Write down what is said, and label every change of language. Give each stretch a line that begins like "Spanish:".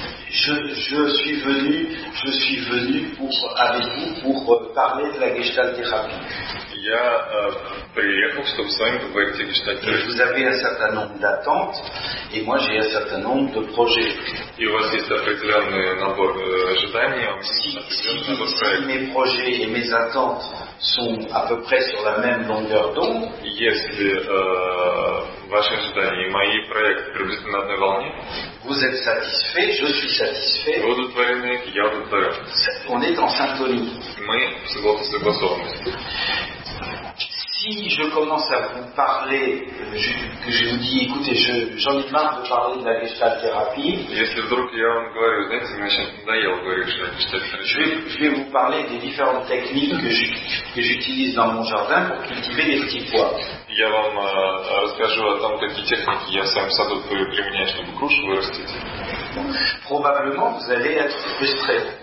French: Je suis venu pour, avec vous, pour parler de la gestalt-thérapie.
Russian: Я приехал, чтобы с вами поговорить о гештальт-терапии.
French: Vous avez un certain nombre d'attentes, et moi j'ai un certain nombre de projets.
Russian: И у вас есть определенный набор ожиданий.
French: Si mes projets et mes attentes sont à peu près sur la même longueur d'onde.
Russian: Если ваши ожидания и мои проекты приблизительно на одной волне.
French: Vous êtes satisfait, je suis satisfait.
Russian: Вы удовлетворены, я удовлетворен.
French: On est en syntonie.
Russian: Мы согласованы.
French: Si je commence à vous parler, que je vous dis, écoutez, j'en ai marre de parler de la gestalt-thérapie.
Russian: Если вдруг я вам говорю, знаете, мне сейчас надоело говорить, что это гештальт-терапия.
French: Je vais vous parler des différentes techniques que j'utilise dans mon jardin pour cultiver des petits pois.
Russian: Я вам расскажу о том, какие техники я сам в саду применяю, чтобы грушу вырастить.
French: Probablement vous allez être frustré.